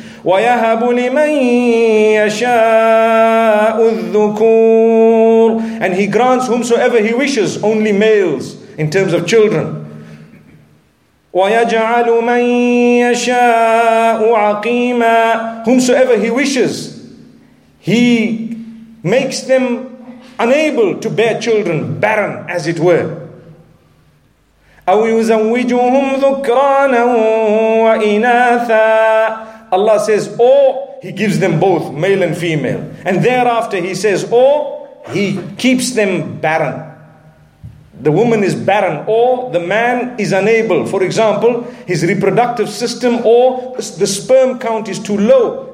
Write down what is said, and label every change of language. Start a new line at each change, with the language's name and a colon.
Arabic: وَيَهَبُ لِمَنْ يَشَاءُ الذُّكُورُ
English: And He grants whomsoever He wishes, only males, in terms of children.
Arabic: وَيَجْعَلُ مَنْ يَشَاءُ عَقِيمًا
English: Whomsoever He wishes, He makes them unable to bear children, barren, as it were.
Arabic: أو يزوجهم ذكرانا وإناثا.
English: Allah says, or He gives them both, male and female. And thereafter He says, or He keeps them barren. The woman is barren, or the man is unable. For example, his reproductive system or the sperm count is too low.